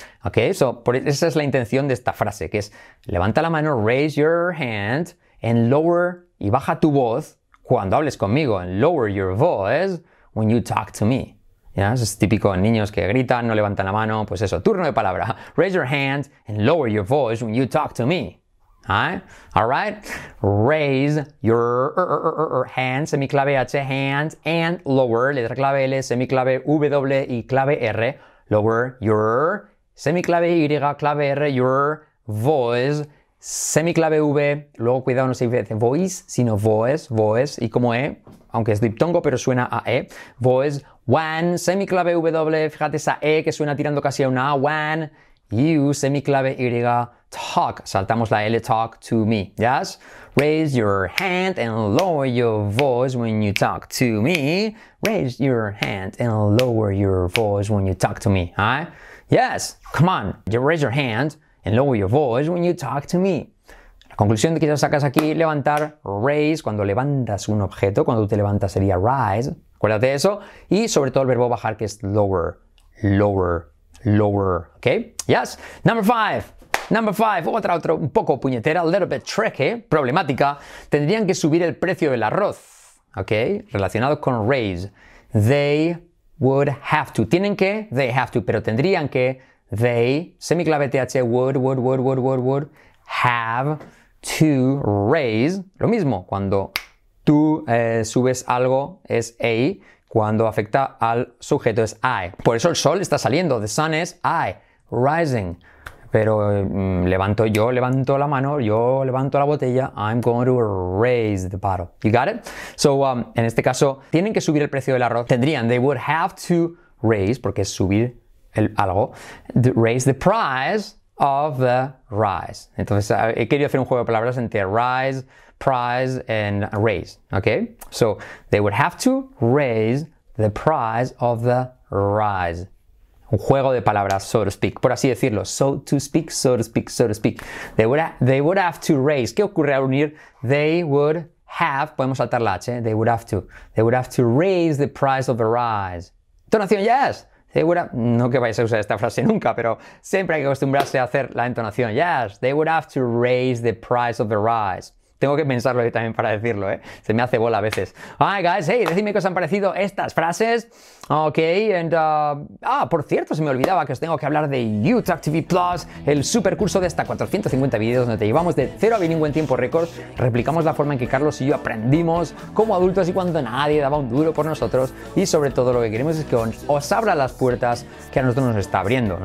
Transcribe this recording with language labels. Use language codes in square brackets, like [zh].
[es] ¿Ok? So, esa es la intención de esta frase, que es levanta la mano, [en] raise your hand, and lower, [es] y baja tu voz cuando hables conmigo, [en] and lower your voice when you talk to me. [es] ¿Ya? Eso es típico en niños que gritan, no levantan la mano, pues eso, turno de palabra. [en] Raise your hand and lower your voice when you talk to me. All right. Raise your hand, [es] semiclave H, [en] hand, and lower, [es] letra clave L, semiclave W y clave R. [en] Lower your, semiclave Y, clave R, your voice, semiclave V. [es] Luego, cuidado, no se dice voice, sino voice, voice, y como E, aunque es diptongo, pero suena a E. [en] Voice, when, semiclave W, [es] fíjate esa E que suena tirando casi a una A, [en] when, you, semiclave Y, talk, saltamos la L, talk to me, yes? Raise your hand and lower your voice when you talk to me. Raise your hand and lower your voice when you talk to me, [es] Yes, come on, [en] you raise your hand and lower your voice when you talk to me. [es] La conclusión de que ya sacas aquí, levantar, raise, cuando levantas un objeto, cuando tú te levantas sería rise, acuérdate de eso, y sobre todo el verbo bajar que es lower, [en] lower, lower, okay? Yes, number five, otra un poco puñetera, a little bit tricky, problemática. [es] Tendrían que subir el precio del arroz, ¿ok? [en] Relacionado con raise. They would have to. [es] Tienen que, [en] they have to, [es] pero tendrían que, they, semiclave TH, would, have to raise. Lo mismo, cuando tú subes algo es a, cuando afecta al sujeto es I. Por eso el sol está saliendo, [en] the sun is I, rising. [es] Pero levanto la mano, yo levanto la botella, [en] I'm going to raise the bottle. You got it? [es] So, en este caso, tienen que subir el precio del arroz. Tendrían, [en] they would have to raise, porque es subir algo, raise the price of the rice. [es] Entonces, he querido hacer un juego de palabras entre rise, price, and raise. Okay? [en] So, they would have to raise the price of the rice. [es] Un juego de palabras, [en] so to speak, [es] por así decirlo. [en] So to speak, so to speak, so to speak. They would have to raise. ¿Qué ocurre al unir? They would have, podemos saltar la H, they would have to. They would have to raise the price of the rise. Entonación, yes. They would have, [es] no que vayas a usar esta frase nunca, pero siempre hay que acostumbrarse a hacer la entonación. [en] Yes, they would have to raise the price of the rise. [es] Tengo que pensarlo también para decirlo, ¿eh? Se me hace bola a veces. [en] All right, guys, [es] hey, decidme qué os han parecido estas frases. Ok, and, por cierto, se me olvidaba que os tengo que hablar de YouTalk TV Plus, el super curso de hasta 450 videos donde te llevamos de cero a bilingüe en tiempo récord, replicamos la forma en que Carlos y yo aprendimos como adultos y cuando nadie daba un duro por nosotros, y sobre todo lo que queremos es que os abra las puertas que a nosotros nos está abriendo.